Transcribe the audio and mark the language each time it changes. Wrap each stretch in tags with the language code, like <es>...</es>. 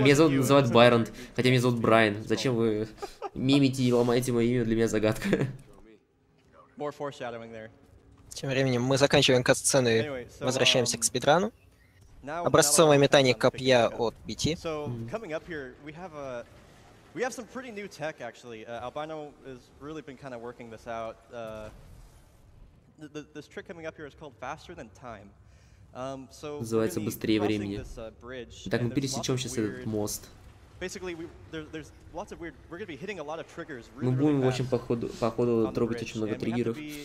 <ru>Меня зовут называют Байрон, хотя меня зовут Брайан. Зачем вы мимите и ломаете мое имя? Для меня загадка.</ru> <en>More foreshadowing there.</en> <ru>Тем временем мы заканчиваем катсцену и возвращаемся к спидрану. Образцовое метание копья от BT.</ru> <en>So, coming up here, we have some pretty new tech, actually. Albino has really been kind of working this out. This trick coming up here is called faster than time.</en> <ru>Называется «Быстрее времени». Так, мы пересечем сейчас этот мост. Мы будем, в общем, по ходу трогать очень много триггеров.</ru>